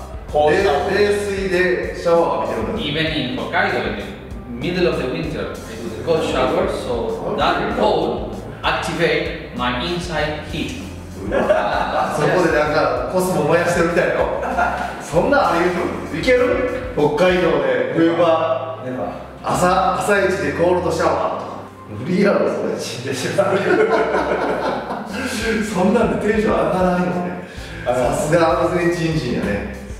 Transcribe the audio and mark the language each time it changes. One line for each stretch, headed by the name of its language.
Japanese: 毎朝冷水でシャワーを浴びてるの。
English: Even in Hokkaido, in the middle of the winter, I do the cold shower, so that cold activate my inside heat.
Japanese: そこでなんかコスモ燃やしてるみたいの。そんなあり得る？いける？北海道で冬場、朝一でコールドシャワーとか無理やろ、それ死んでしまう。そんなんでテンション上がらないのね。さすがアルゼンチン人やね。